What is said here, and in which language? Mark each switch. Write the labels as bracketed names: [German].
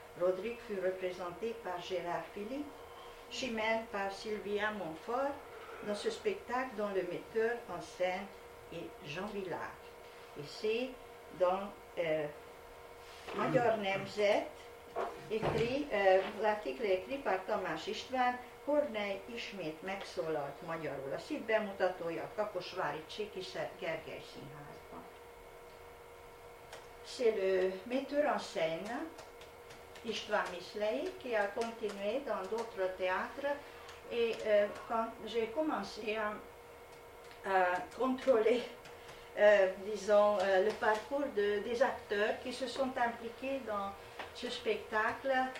[French] Rodrigue fut représenté par Gérard Philippe, Chimène par Sylvia Montfort, dans ce spectacle dont le metteur en scène est Jean Villard. Et c'est dans Major Nemzet, écrit, l'article est écrit par Tamás István, [Hungarian] Corneille ismét megszólalt magyarul. A Cid bemutatója a kaposvári Csíkiszent Gergely Színházban. [French] C'est le metteur en scène, István Miszlay, qui a continué dans d'autres théâtres. Et quand j'ai commencé à contrôler, le parcours des acteurs qui se sont impliqués dans ce spectacle,